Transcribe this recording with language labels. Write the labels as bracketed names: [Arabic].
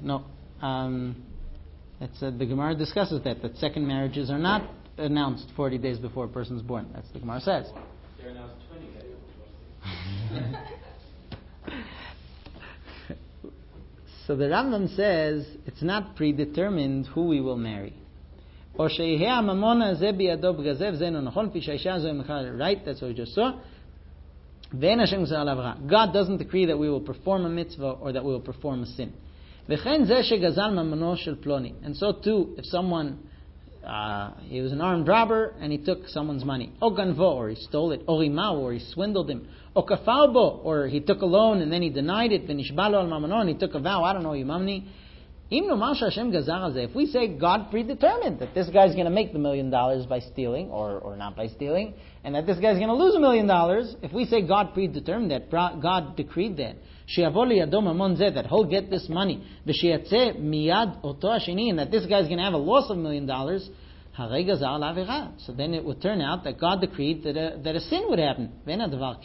[English] The Gemara discusses that second marriages are not announced 40 days before a person's born. That's what the Gemara says. They're announced 20 days. So the Rambam says it's not predetermined who we will marry. [Hebrew] או שיהיה הממון הזה בידו בגזב, זה לא נכון, כפי שהאישה הזו היא מכלל, [English] right, that's what we just saw, [Hebrew] ואין השם גוזר על עברה. [English] God doesn't decree that we will perform a mitzvah or that we will perform a sin. [Hebrew] וכן זה שגזל ממונו של פלוני. [English] And so too, if someone, he was an armed robber and he took someone's money. [Hebrew] או גנבו, [English] or he stole it. [Hebrew] או רימהו, [English] or he swindled him. [Hebrew] או כפר בו, [English] or he took a loan and then he denied it, [Hebrew] ונשבע לו על ממונו, [English] and he took a vow, I don't know, [Hebrew] יממני. אם נאמר שהשם גזר הזה, [English] if we say God predetermined that this guy is going to make the $1 million by stealing or not by stealing, and that this guy is going to lose $1 million, if we say God predetermined that, God decreed that, [Hebrew] שיבוא לידו ממון זה, [English] that he'll get this money, [Hebrew] ושיצא מיד אותו השני, [English] and that this guy is going to have a loss of $1 million, [Hebrew] הרי גזר על עבירה. [English] So then it would turn out that God decreed that a sin would happen. [Hebrew] ואין הדבר כן.